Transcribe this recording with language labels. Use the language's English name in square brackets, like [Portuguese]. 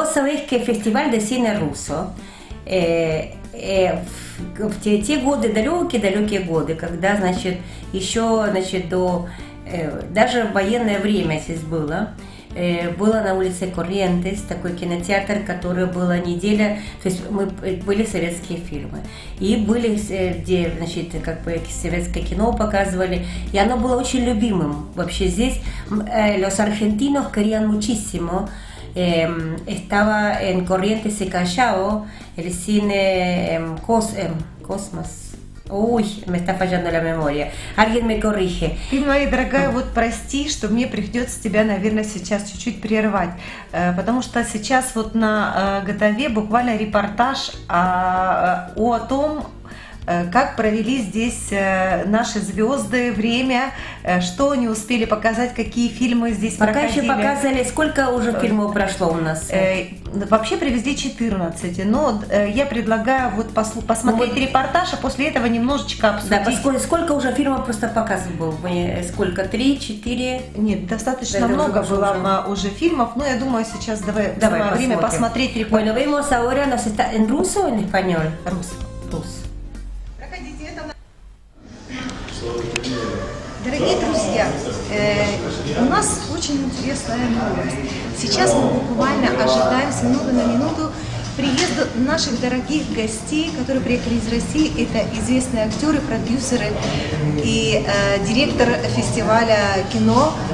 [Spanish] Vos sabés que el Festival de Cine Ruso, [Russian] те годы, далекие годы, когда, значит, еще, значит, до, даже в военное время здесь было, было на улице Корриентес такой кинотеатр, который была неделя, то есть мы были советские фильмы, и были, где, значит, как бы советское кино показывали, и оно было очень любимым вообще здесь. [Spanish] Los argentinos querían muchísimo, estaba en Corrientes y Callao, el cine Cosmos. Uy, me está fallando la memoria. Alguien me corrige. [Russian] Ты, моя дорогая, вот прости, что мне придется тебя, наверное, сейчас чуть-чуть прервать. Потому что сейчас вот на ГТВ буквально репортаж о том, как провели здесь наши звезды время, что они успели показать, какие фильмы здесь пока проходили. Пока еще показали, сколько уже фильмов прошло у нас? Вообще привезли 14, но я предлагаю вот посмотреть репортаж, а после этого немножечко обсудить. Да, сколько уже фильмов просто показывал? Сколько? 3-4? Нет, достаточно много было уже фильмов, но я думаю, сейчас давай посмотрим. Время посмотреть репортаж. [Spanish] Bueno, vemos ahora, ¿nos está en ruso o en español? Rus. [Russian] Дорогие друзья, у нас очень интересная новость. Сейчас мы буквально ожидаем с минуты на минуту приезда наших дорогих гостей, которые приехали из России. Это известные актеры, продюсеры и директор фестиваля кино.